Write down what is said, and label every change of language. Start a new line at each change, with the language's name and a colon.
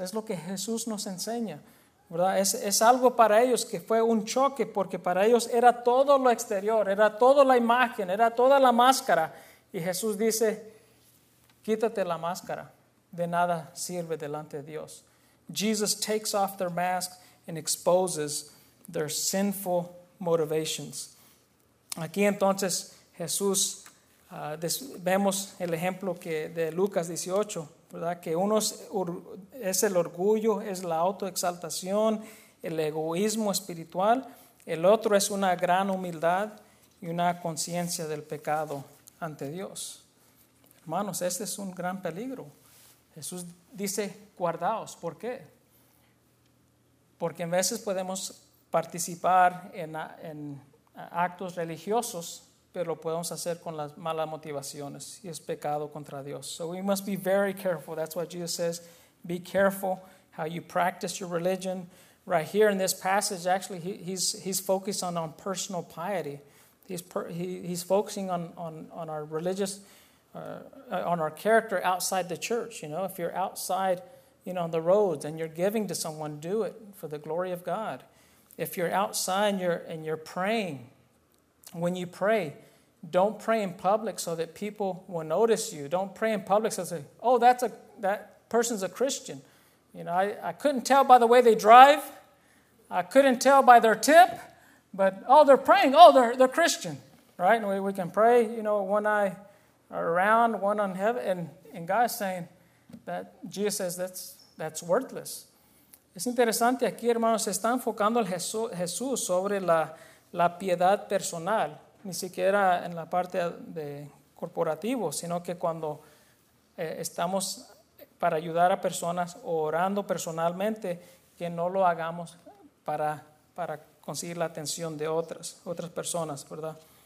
Spanish: Es lo que Jesús nos enseña. ¿Verdad? Es algo para ellos que fue un choque, porque para ellos era todo lo exterior, era toda la imagen, era toda la máscara. Y Jesús dice, quítate la máscara, de nada sirve delante de Dios.
English: Jesus takes off their mask and exposes their sinful motivations.
Spanish: Aquí entonces Jesús, vemos el ejemplo que de Lucas 18, ¿verdad? Que uno es el orgullo, es la autoexaltación, el egoísmo espiritual. El otro es una gran humildad y una conciencia del pecado ante Dios. Hermanos, este es un gran peligro. Jesús dice, guardaos. ¿Por qué? Porque en veces podemos participar en actos religiosos, pero lo podemos hacer con las malas motivaciones y es pecado contra Dios.
English: So we must be very careful. That's what Jesus says. Be careful how you practice your religion. Right here in this passage, actually, he's focused on personal piety. He's focusing on our religious, on our character outside the church. You know, if you're outside, you know, on the roads and you're giving to someone, do it for the glory of God. If you're outside and you're praying, when you pray, don't pray in public so that people will notice you. Don't pray in public so say, oh, that person's a Christian. You know, I couldn't tell by the way they drive. I couldn't tell by their tip. But, oh, they're praying. Oh, they're Christian. Right? And we can pray, you know, one eye around, one on heaven. And God is saying that Jesus says that's worthless.
Spanish: Es interesante aquí, hermanos, se está enfocando el Jesús sobre la piedad personal, ni siquiera en la parte de corporativo, sino que cuando estamos para ayudar a personas orando personalmente, que no lo hagamos para conseguir la atención de otras personas, ¿verdad?